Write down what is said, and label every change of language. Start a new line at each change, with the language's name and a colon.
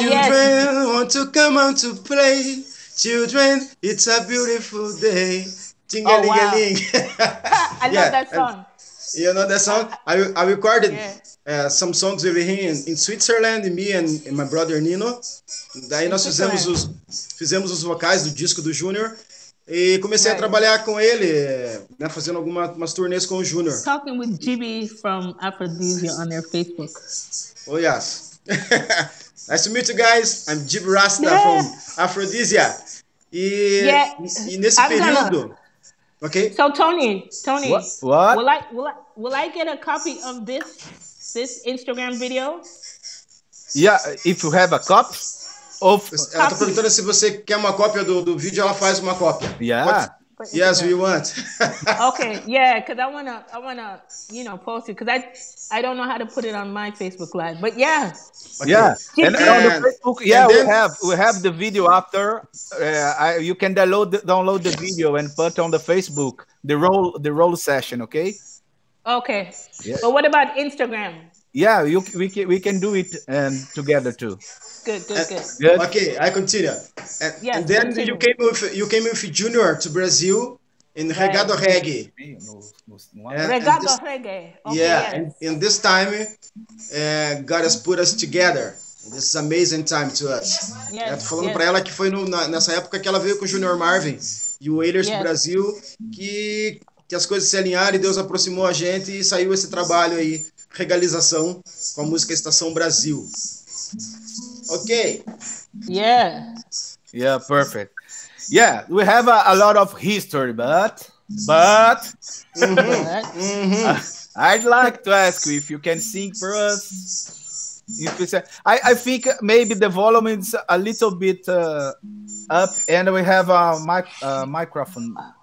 English: children want to come out to play. Children, it's a beautiful day. Ting-a-ling-a-ling. Wow. I love that song. You know that song? I recorded some songs with him in Switzerland, me and my brother Nino.
Portuguese: Daí nós fizemos os vocais do disco do Junior. E comecei a trabalhar com ele, né, fazendo algumas turnês com o Junior.
English: Talking with Jimmy from Afrodizia on their Facebook. Oh, yes. Nice to meet you guys. I'm Jib Rasta from Afrodizia. Okay. So Tony. What? Will I get a copy of this Instagram video? Yeah, if you have a copy.
Portuguese: Ela tá perguntando se você quer uma cópia do vídeo, ela faz uma cópia.
English: Yeah. Yes, we want. Okay, yeah, because I wanna, you know, post it because I don't know how to put it on my Facebook Live, but yeah. Okay. Yeah, and on the Facebook, we have the video after. You can download the video and put on the Facebook the roll session, okay? Okay. Yeah. But what about Instagram? Yeah, we can do it together too. Good. Okay, I continue. And then you came with Junior to Brazil in Reggae. Reggae. And this time, God has put us together. This is amazing time to us. Yes.
Portuguese: Tô falando para ela que foi nessa época que ela veio com o Junior Marvin e o Whalers do Brasil, que as coisas se alinharam e Deus aproximou a gente e saiu esse trabalho aí, Reggaelização, com a música Estação Brasil.
English: Okay. Yeah. Yeah, perfect. Yeah, we have a lot of history, but I'd like to ask you if you can sing for us. If you say, I think maybe the volume is a little bit up, and we have a microphone.